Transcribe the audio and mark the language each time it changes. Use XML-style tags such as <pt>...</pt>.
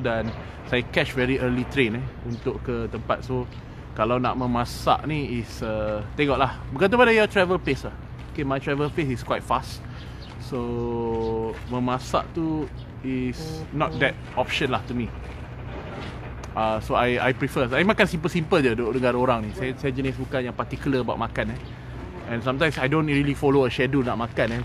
<ms>Dan saya</ms> <en>catch very early train</en> <ms>eh, untuk ke tempat. So kalau nak memasak ni is tengok lah, bergantung pada</ms> <en>your travel pace</en> <ms>lah.</ms> <en>Okay, my travel pace is quite fast. So</en> <ms>memasak tu</ms> <en>is not that option lah to me. So I prefer,</en> <ms>saya makan simple-simple je duduk dengan orang ni. Saya jenis bukan yang</ms> <en>particular about</en> <ms>makan eh.</ms> <en>And sometimes I don't really follow a schedule</en> <ms>nak makan eh.</ms>